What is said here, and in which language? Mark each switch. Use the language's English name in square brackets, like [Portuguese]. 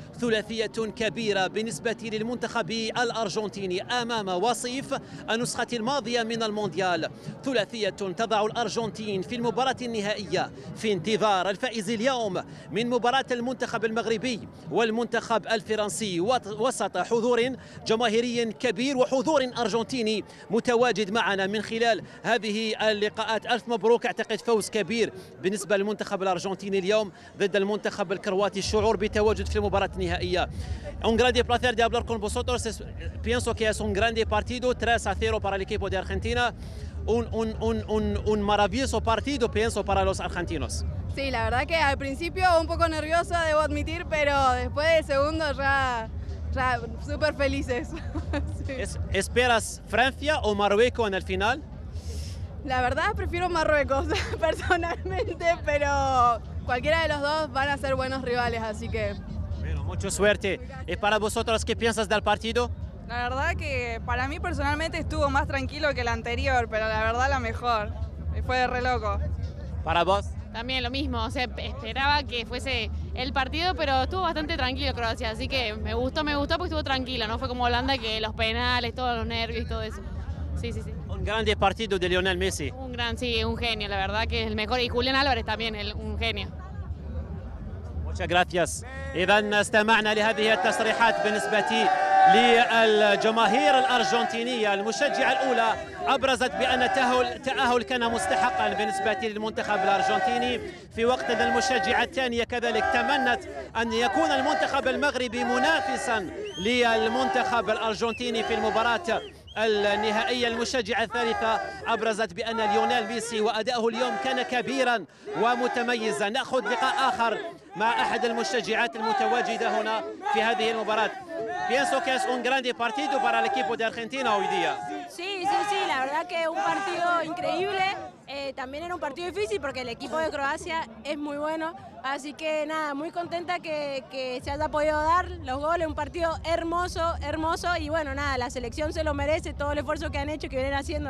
[Arabic] ثلاثية كبيرة بالنسبة للمنتخب الأرجنتيني أمام وصيف النسخة الماضية من المونديال، ثلاثية تضع الأرجنتين في المباراة النهائية في انتظار الفائز اليوم من مباراة المنتخب المغربي والمنتخب الفرنسي، وسط حضور جماهيري كبير وحضور أرجنتيني متواجد معنا من خلال هذه اللقاءات. ألف مبروك، أعتقد فوز كبير بالنسبة للمنتخب الأرجنتيني اليوم ضد المنتخب الكرواتي، الشعور بتواجد في المباراة النهائية. [Spanish] Un grande placer de hablar con vosotros. Pienso que es un grande partido, 3-0 para el equipo de Argentina. Un maravilloso partido, pienso, para los argentinos. Sí, la verdad que al principio un poco nerviosa, debo admitir, pero después del segundo ya súper felices. Sí. ¿Esperas Francia o Marruecos en el final? La verdad prefiero Marruecos personalmente, pero cualquiera de los dos van a ser buenos rivales, así que... Mucha suerte. ¿Y para vosotros qué piensas del partido? La verdad que para mí personalmente estuvo más tranquilo que el anterior, pero la verdad la mejor. Fue re loco. ¿Para vos? También lo mismo. O sea, esperaba que fuese el partido, pero estuvo bastante tranquilo Croacia. Así que me gustó porque estuvo tranquilo. No fue como Holanda, que los penales, todos los nervios y todo eso. Sí, sí, sí. Un gran partido de Lionel Messi. Un gran, sí, un genio. La verdad que es el mejor. Y Julián Álvarez también, un genio. Gracias. [Arabic] إذن استمعنا لهذه التصريحات بالنسبة للجماهير الأرجنتينية. المشجعة الأولى أبرزت بأن التأهل كان مستحقا بالنسبة للمنتخب الأرجنتيني، في وقت أن المشجعة الثانية كذلك تمنت أن يكون المنتخب المغربي منافسا للمنتخب الأرجنتيني في المباراة النهائية. المشجعة الثالثة أبرزت بأن ليونيل ميسي وأداؤه اليوم كان كبيرا ومتميزا. نأخذ لقاء آخر مع أحد المشجعات المتواجدة هنا في هذه المباراة. [Spanish] Pienso que es un grande partido para el equipo de Argentina hoy día. Sí, sí, sí, la verdad que un partido increíble. También era un partido difícil porque el equipo de Croacia es muy bueno. Así que nada, muy contenta que se haya podido dar los goles. Un partido hermoso, hermoso. Y bueno, nada, la selección se lo merece, todo el esfuerzo que han hecho, que vienen haciendo.